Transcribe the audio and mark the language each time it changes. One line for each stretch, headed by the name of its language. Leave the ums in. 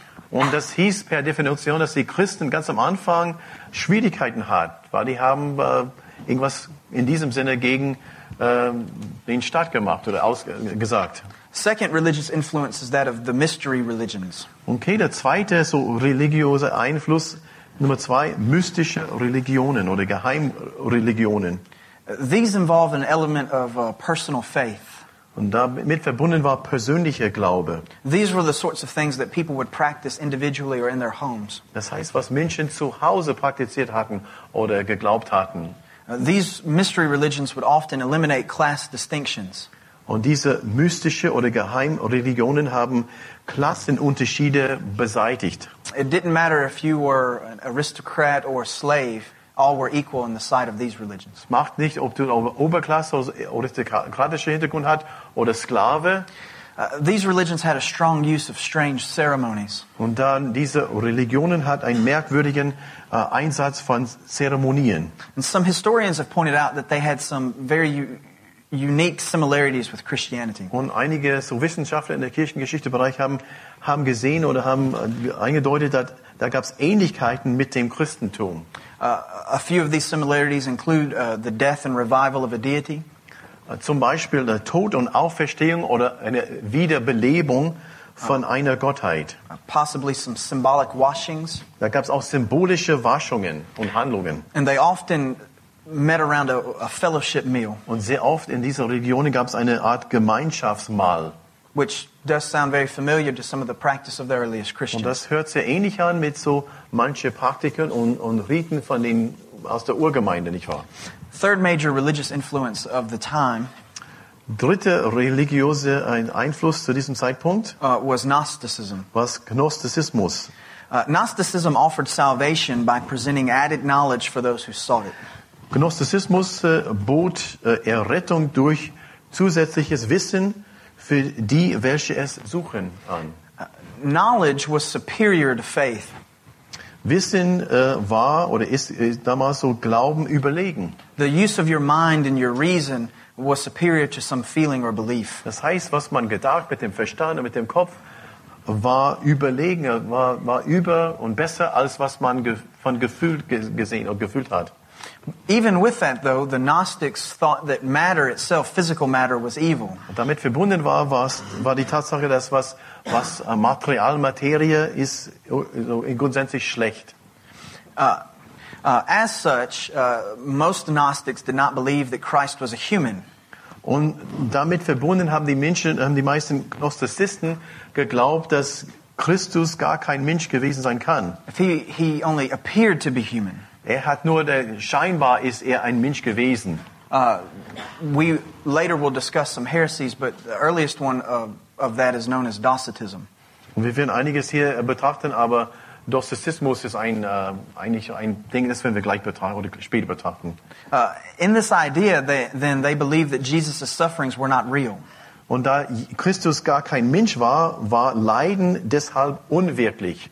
German: Und das hieß per Definition, dass die Christen ganz am Anfang Schwierigkeiten hatten, weil die haben irgendwas in diesem Sinne gegen den Staat gemacht oder ausgesagt.
English: Second religious influence is that of the mystery religions.
German: Okay, der zweite so religiöse Einfluss Nummer zwei, mystische Religionen oder Geheimreligionen.
English: These involve an element of personal faith.
German: Und damit verbunden war persönlicher Glaube.
English: These were the sorts of things that people would practice individually or in their homes.
German: Das heißt, was Menschen zu Hause praktiziert hatten oder geglaubt hatten.
English: These mystery religions would often eliminate class distinctions.
German: Und diese mystische oder geheim Religionen haben Klassenunterschiede beseitigt.
English: It didn't matter if you were an aristocrat or a slave all were equal in the sight of these religions.
German: Macht uh, nicht, ob du Oberklasse oder aristokratische Hintergrund hat oder Sklave.
English: these religions had a strong use of strange ceremonies.
German: Und dann diese Religionen hat einen merkwürdigen uh, Einsatz von Zeremonien.
English: And some historians have pointed out that they had some very unique similarities with Christianity.
German: Und einige so Wissenschaftler in der Kirchengeschichte Bereich haben haben gesehen oder haben eingedeutet, dass da gab es Ähnlichkeiten mit dem Christentum.
English: Uh, a few of these similarities include uh, the death and revival of a deity.
German: Zum Beispiel der uh, Tod und Auferstehung oder eine Wiederbelebung von einer Gottheit.
English: Possibly some symbolic washings.
German: Da gab es auch symbolische Waschungen und Handlungen.
English: And they often met around a, a fellowship meal.
German: Und sehr oft in dieser Region gab es eine Art Gemeinschaftsmahl
English: which does sound very familiar to some of the practice of the earliest Christians.
German: Und hört sehr ähnlich an mit so manche Praktiken und und Riten von den aus der Urgemeinde, nicht wahr?
English: Third major religious influence of the time.
German: Dritte religiöse Einfluss zu diesem Zeitpunkt uh, was Gnosticism. Was Gnosticismus?
English: Uh, Gnosticism offered salvation by presenting added knowledge for those who sought it.
German: Gnosticismus uh, bot uh, Errettung durch zusätzliches Wissen. für die, welche es suchen, an.
English: Knowledge was superior to faith.
German: Wissen war oder ist, damals so Glauben überlegen.
English: The use of your mind and your reason was superior to some feeling or belief.
German: Das heißt, was man gedacht mit dem Verstand und mit dem Kopf war überlegen, war, war über und besser als was man von Gefühl gesehen oder gefühlt hat.
English: Even with that, though, the Gnostics thought that matter itself, physical matter, was evil.
German: Und damit verbunden war, war die Tatsache, dass was, was Material, Materie ist, so grundsätzlich schlecht.
English: Uh, uh, as such, uh, most Gnostics did not believe that Christ was a human.
German: Und damit verbunden haben die Menschen, haben die meisten Gnostizisten geglaubt, dass Christus gar kein Mensch gewesen sein kann.
English: If he, he only appeared to be human.
German: Er hat nur der, scheinbar ist er ein Mensch gewesen.
English: Uh, we later will discuss some heresies, but the earliest one of, of that is known as Docetism.
German: Und wir werden einiges hier betrachten, aber Docetismus ist ein, uh, eigentlich ein Ding, das werden wir gleich betrachten oder später betrachten.
English: Uh, in this idea, they, then they believe that Jesus' sufferings were not real.
German: Und da Christus gar kein Mensch war, war Leiden deshalb unwirklich.